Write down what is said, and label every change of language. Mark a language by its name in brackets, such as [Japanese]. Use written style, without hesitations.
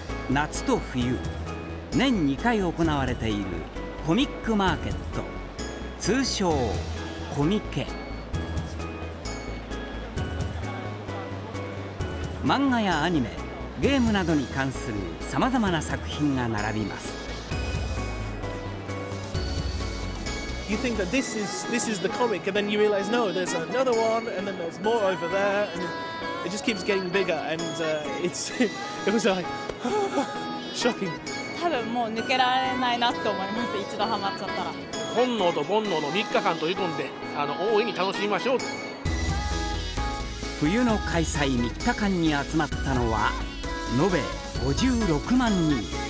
[Japanese] 夏と冬年2回行われているコミックマーケット、通称コミケ。漫画やアニメ、ゲームなどに関するさまざまな作品が並びます。 [English] You think that this is the comic, and then you realize no, there's another one, and then there's more over there, and it just keeps getting bigger, and it was like shocking. [Japanese] 多分もう抜けられないなって思います、一度ハマっちゃったら。本能と煩悩の3日間取り込んで大いに楽しみましょう。冬の開催3日間に集まったのは延べ56万人。